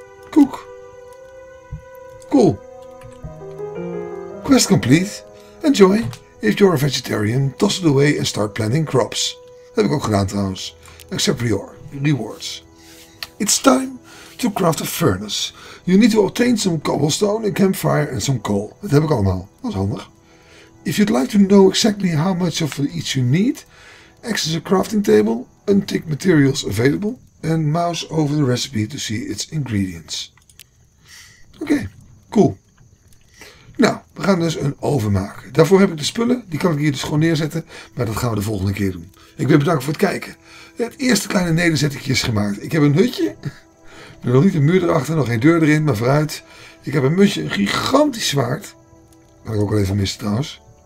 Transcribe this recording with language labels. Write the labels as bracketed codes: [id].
[en] Koek. Cool. Quest complete. Enjoy. If you're a vegetarian, toss it away and start planting crops. [nl] Dat heb ik ook gedaan trouwens. [en] Except for your rewards. It's time to craft a furnace. You need to obtain some cobblestone, a campfire and some coal. [nl] Dat heb ik allemaal. Dat is handig. [en] If you'd like to know exactly how much of each you need, access a crafting table, untick materials available and mouse over the recipe to see its ingredients. Okay, cool. [nl] Nou, we gaan dus een oven maken. Daarvoor heb ik de spullen. Die kan ik hier dus gewoon neerzetten. Maar dat gaan we de volgende keer doen. Ik wil bedanken voor het kijken. Het eerste kleine nederzettingje is gemaakt. Ik heb een hutje. Ik heb nog niet een muur erachter, nog geen deur erin, maar vooruit. Ik heb een mutje, een gigantisch zwaard. Wat ik ook al even miste trouwens.